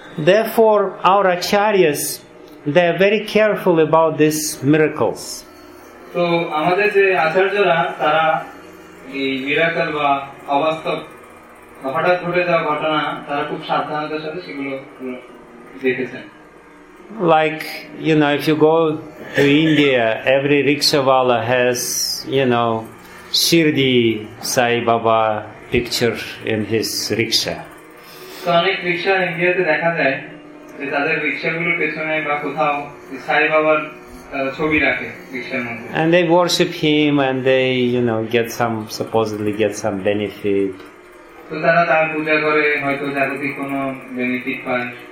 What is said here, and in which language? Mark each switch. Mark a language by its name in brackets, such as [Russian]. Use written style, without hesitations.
[English] Therefore, our acharyas, they are very careful about these miracles. [Bangla] So, আমাদের যে আচার্যরা তারা এই মিরাকল বা অবাস্তব হঠাৎ ঘটে যাওয়া ঘটনা তারা খুব সাবধানতার সাথে সেগুলো দেখেছেন। [English] Like, you know, if you go to India, every rickshawala has, you know, Shirdi Sai Baba picture in his rickshaw. [Bangla] So, অনেক রিক্সা ইন্ডিয়াতে দেখা যায় যে তাদের রিক্সাগুলোর পেছনে বা কোথাও সাই বাবার ছবি রাখে রিক্সার মধ্যে. [English] And they worship him and they, you know, get some, supposedly get some benefit. [Bangla] তো তারা তার পূজা করে হয়তো জাগতিক কোনো বেনিফিট পায়।